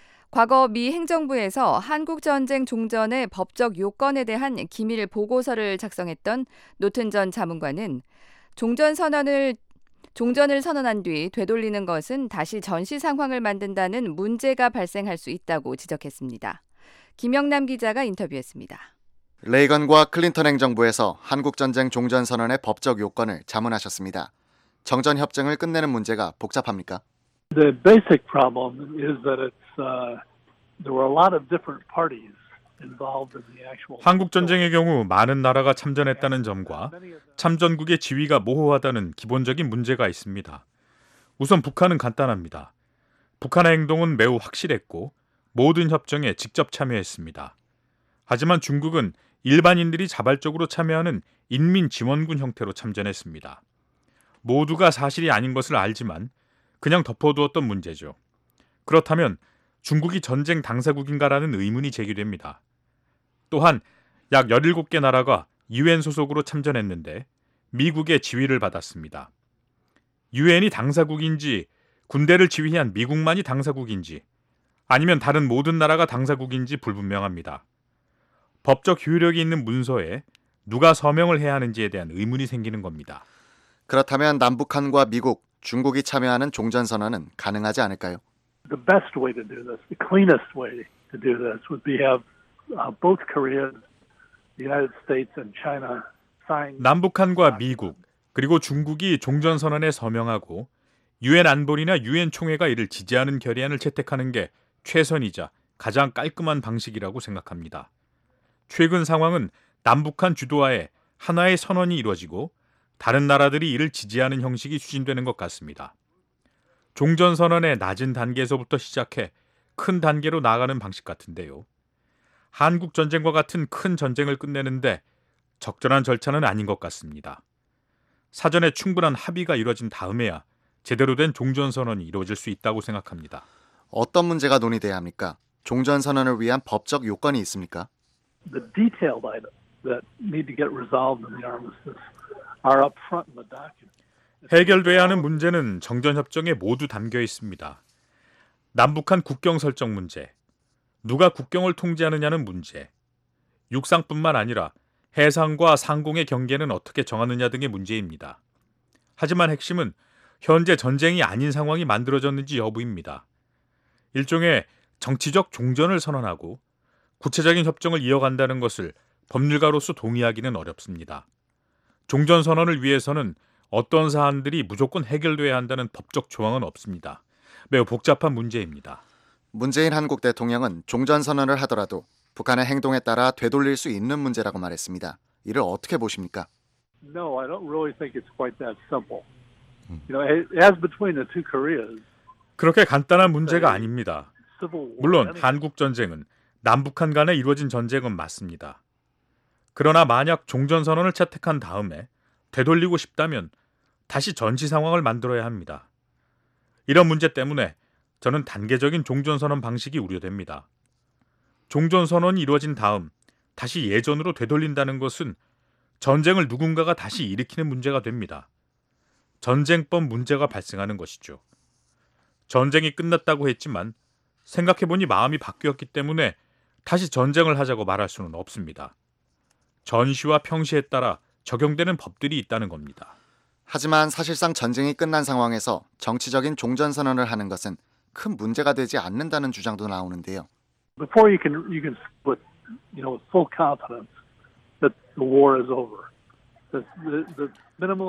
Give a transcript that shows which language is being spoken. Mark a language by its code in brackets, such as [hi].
[ko] 과거 미 행정부에서 한국전쟁 종전의 법적 요건에 대한 기밀 보고서를 작성했던 노튼 전 자문관은 종전을 선언한 뒤 되돌리는 것은 다시 전시 상황을 만든다는 문제가 발생할 수 있다고 지적했습니다. 김영남 기자가 인터뷰했습니다. 레이건과 클린턴 행정부에서 한국전쟁 종전 선언의 법적 요건을 자문하셨습니다. 정전 협정을 끝내는 문제가 복잡합니까? [en] The basic problem is that there were a lot of different parties involved in the actual [ko] 한국 전쟁의 경우 많은 나라가 참전했다는 점과 참전국의 지위가 모호하다는 기본적인 문제가 있습니다. 우선 북한은 간단합니다. 북한의 행동은 매우 확실했고 모든 협정에 직접 참여했습니다. 하지만 중국은 일반인들이 자발적으로 참여하는 인민 지원군 형태로 참전했습니다. 모두가 사실이 아닌 것을 알지만 그냥 덮어두었던 문제죠. 그렇다면 중국이 전쟁 당사국인가라는 의문이 제기됩니다. 또한 약 17개 나라가 유엔 소속으로 참전했는데 미국의 지휘를 받았습니다. 유엔이 당사국인지 군대를 지휘한 미국만이 당사국인지 아니면 다른 모든 나라가 당사국인지 불분명합니다. 법적 효력이 있는 문서에 누가 서명을 해야 하는지에 대한 의문이 생기는 겁니다. 그렇다면 남북한과 미국, 중국이 참여하는 종전선언은 가능하지 않을까요? [en] The best way to do this, the cleanest way to do this would be have both Korea, the United States and China sign. [ko] 남북한과 미국 그리고 중국이 종전선언에 서명하고 유엔 안보리나 유엔 총회가 이를 지지하는 결의안을 채택하는 게 최선이자 가장 깔끔한 방식이라고 생각합니다. 최근 상황은 남북한 주도하에 하나의 선언이 이루어지고 다른 나라들이 이를 지지하는 형식이 추진되는 것 같습니다. 종전선언의 낮은 단계에서부터 시작해 큰 단계로 나아가는 방식 같은데요. 한국전쟁과 같은 큰 전쟁을 끝내는데 적절한 절차는 아닌 것 같습니다. 사전에 충분한 합의가 이루어진 다음에야 제대로 된 종전선언이 이루어질 수 있다고 생각합니다. 어떤 문제가 논의돼야 합니까? 종전선언을 위한 법적 요건이 있습니까? [en] The detailed items that need to get resolved in the armistice are up front in the document. [ko] 해결돼야 하는 문제는 정전협정에 모두 담겨 있습니다. 남북한 국경 설정 문제, 누가 국경을 통제하느냐는 문제, 육상뿐만 아니라 해상과 상공의 경계는 어떻게 정하느냐 등의 문제입니다. 하지만 핵심은 현재 전쟁이 아닌 상황이 만들어졌는지 여부입니다. 일종의 정치적 종전을 선언하고 구체적인 협정을 이어간다는 것을 법률가로서 동의하기는 어렵습니다. 종전선언을 위해서는 어떤 사안들이 무조건 해결돼야 한다는 법적 조항은 없습니다. 매우 복잡한 문제입니다. 문재인 한국 대통령은 종전선언을 하더라도 북한의 행동에 따라 되돌릴 수 있는 문제라고 말했습니다. 이를 어떻게 보십니까? [en] No, I don't really think it's quite that simple. You know, as between the two Koreas. [ko] 그렇게 간단한 문제가 아닙니다. 물론 한국전쟁은 남북한 간에 이루어진 전쟁은 맞습니다. 그러나 만약 종전선언을 채택한 다음에 되돌리고 싶다면 다시 전시 상황을 만들어야 합니다. 이런 문제 때문에 저는 단계적인 종전선언 방식이 우려됩니다. 종전선언이 이루어진 다음 다시 예전으로 되돌린다는 것은 전쟁을 누군가가 다시 일으키는 문제가 됩니다. 전쟁법 문제가 발생하는 것이죠. 전쟁이 끝났다고 했지만 생각해보니 마음이 바뀌었기 때문에 다시 전쟁을 하자고 말할 수는 없습니다. 전시와 평시에 따라 적용되는 법들이 있다는 겁니다. 하지만 사실상 전쟁이 끝난 상황에서 정치적인 종전선언을 하는 것은 큰 문제가 되지 않는다는 주장도 나오는데요. [en] Before you can put, you know, full confidence that the war is over. The minimal